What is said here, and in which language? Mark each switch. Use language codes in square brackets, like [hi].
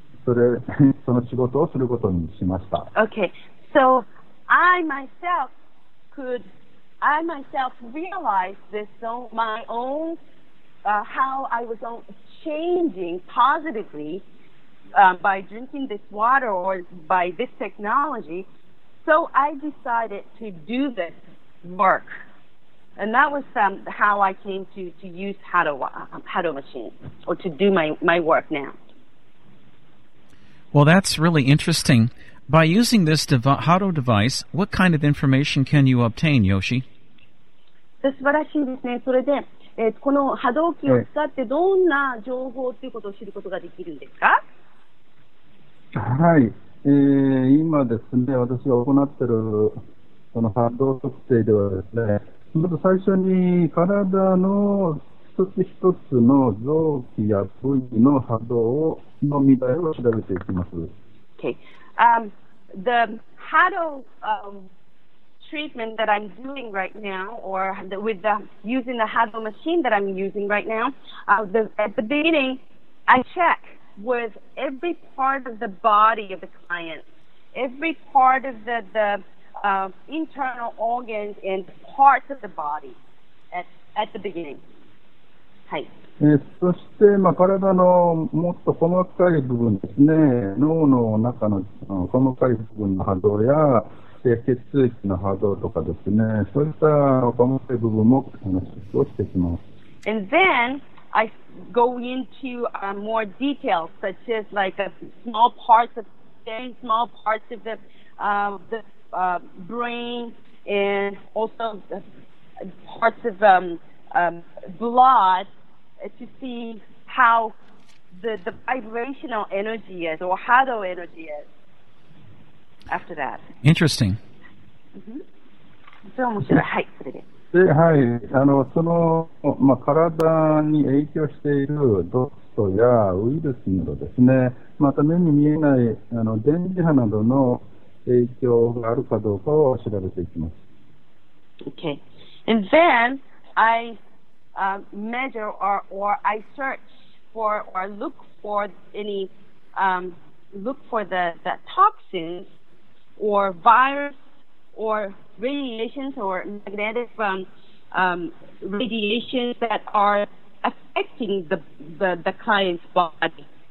[ja] その仕事をすることにしました。 [en] Okay. So I myself realized this on my own, how I was changing positively, by drinking this water or by this technology. So I decided to do this work. And that was how I came to use Hado machine or to do my work now. Well, that's really interesting. By using this Hado device, what kind of information can you obtain, Yoshi? [ja] 素晴らしいですね。それで、この波動機を使ってどんな情報ということを知ることができるんですか？はい。今ですね、私が行っているこの波動測定ではですね、まず最初に体の一つ一つの臓器や部位の波動を [en] Okay. The Hado treatment that I'm doing right now, or with the using the Hado machine that I'm using right now, at the beginning, I check with every part of the body of the client, every part of the internal organs and parts of the body at the beginning. [ja] はい。そして、まあ、体のもっと細かい部分ですね、脳の中の細かい部分の波動や、性血液の波動とかですね、そういった細かい部分も話をしてきます。 [en] And then I go into more details, such as like a small parts of the brain, small parts of the brain, and also parts of blood to see how the vibrational energy is or how the energy is after that. Interesting. [ja] それは面白い。はい、それで。はい、その、まあ、体に影響している毒素やウイルスなどですね、また目に見えない電磁波などの影響があるかどうかを調べていきます。 [en] Okay. And then I measure or I search for or look for any look for the toxins or virus orradiations or magnetic radiations that are affecting the client's body.